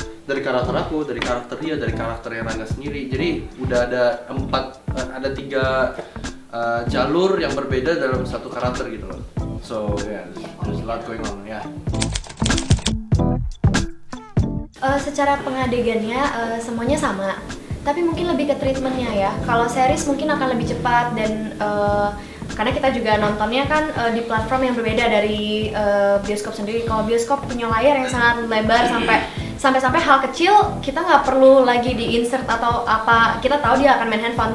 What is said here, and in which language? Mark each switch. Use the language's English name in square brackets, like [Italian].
[Indonesian] Dari karakter aku, dari karakter dia, dari karakter yang Rangga sendiri. Jadi udah ada tiga jalur yang berbeda dalam satu karakter gitu loh. [English] So yeah, there's a lot going on, yeah. [Indonesian] Secara pengadegannya semuanya sama, tapi mungkin lebih ke treatmentnya ya. Kalau series mungkin akan lebih cepat dan karena kita juga nontonnya kan di platform yang berbeda dari bioskop sendiri. Kalau bioskop punya layar yang sangat lebar sampai hal kecil kita nggak perlu lagi di insert atau apa, kita tahu dia akan main handphone.